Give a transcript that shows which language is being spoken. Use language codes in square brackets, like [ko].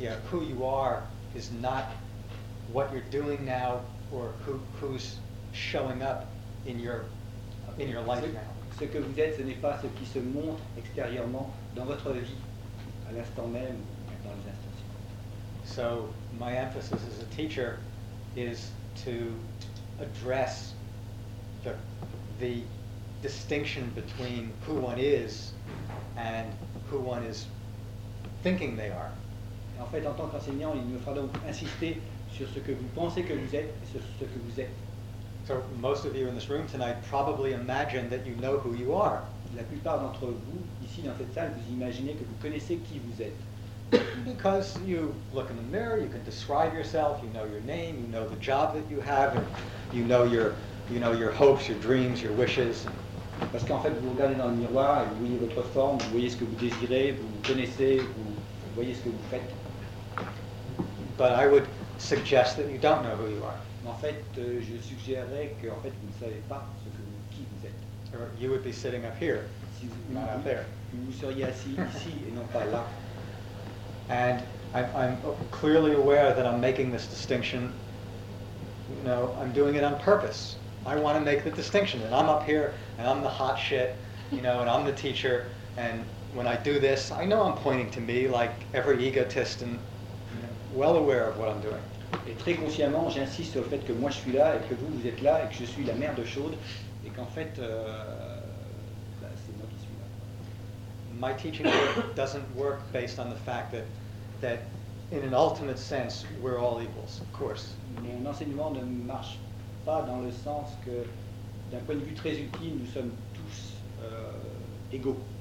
[en] Who you are is not what you're doing now or who's showing up in your life now. [fr] Ce que vous êtes, ce n'est pas ce qui se montre extérieurement dans votre vie, à l'instant même, dans les instants suivants. [en] So, my emphasis as a teacher is to address the distinction between who one is and who one is thinking they are. [fr] En fait, en tant qu'enseignant, il me faudra donc insister sur ce que vous pensez que vous êtes et sur ce que vous êtes. [en] So most of you in this room tonight probably imagine that you know who you are. [fr] La plupart d'entre vous ici dans cette salle, vous imaginez que vous connaissez qui vous êtes. [en] Because you look in the mirror, you can describe yourself. You know your name. You know the job that you have. And you know your hopes, your dreams, your wishes. [fr] Parce qu'en fait, vous regardez dans le miroir et vous voyez votre forme. Vous voyez ce que vous désirez. Vous connaissez. Vous voyez ce que vous faites. [en] But I would suggest that you don't know who you are. [fr] En fait, je suggérerais que en fait, vous ne savez pas qui vous êtes. [en] Or you would be sitting up here, [fr] si [en] not up there. [fr] Vous seriez assis ici et non pas là. [en] And I'm clearly aware that I'm making this distinction. You know, I'm doing it on purpose. I want to make the distinction. And I'm up here, and I'm the hot shit, you know, and I'm the teacher. And when I do this, I know I'm pointing to me like every egotist and well aware of what I'm doing. [fr] Et très consciemment, j'insiste sur le fait que moi je suis là et que vous êtes là et que je suis la merde chaude et qu'en fait, c'est moi qui suis là. [en] My teaching work doesn't work based on the fact that in an ultimate sense, we're all equals, of course. [fr] Mon enseignement ne marche pas dans le sens que, d'un point de vue très ultime, nous sommes tous égaux.